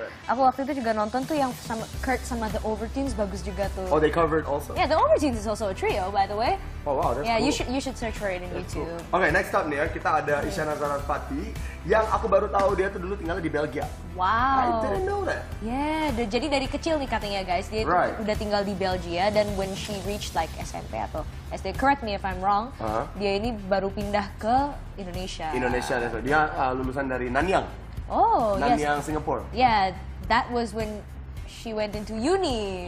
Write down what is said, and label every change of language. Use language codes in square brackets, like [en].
[id] Aku waktu itu juga nonton tuh yang sama Kurt sama The Overtones, bagus juga tuh. [en] Oh, they covered also. Yeah, The Overtones is also a trio, by the way. Oh wow, that's cool. You should search for it in that's YouTube. Cool. [id] Okay, next up nih ya, kita ada Isyana Saraswati yang aku baru tahu dia tuh dulu tinggalnya di Belgia. [en] Wow. I didn't know that. [id] Yeah, jadi dari kecil nih katanya guys, dia udah tinggal di Belgia, dan [en] when she reached like [id] SMP atau SD, [en] correct me if I'm wrong, [id] dia ini baru pindah ke Indonesia. [en] Indonesia, that's right. [id] Dia lulusan dari Nanyang. Oh, Nanyang, Nanyang, Singapore. [en] Yeah, that was when she went into uni.